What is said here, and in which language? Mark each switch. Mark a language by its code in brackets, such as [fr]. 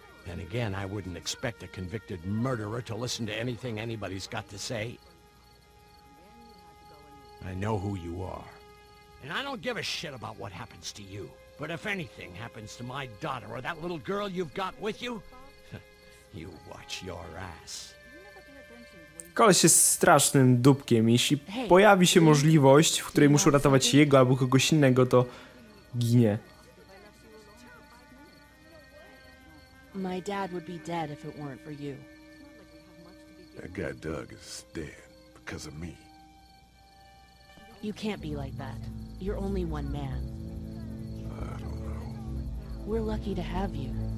[en] And again, I wouldn't expect a convicted murderer to listen to anything anybody's got to say. I know who you are. And I don't give a shit about what happens to you. But if anything happens to my daughter or that little girl you've got with you, you watch your ass. [pl] Koleś jest strasznym dupkiem. Jeśli pojawi się możliwość, w której muszę ratować jego albo kogoś innego, to ginie. [en] My dad would be dead if it weren't for you. That guy Doug is dead because of me. You can't be like that. You're only one man. I don't know. We're lucky to have you.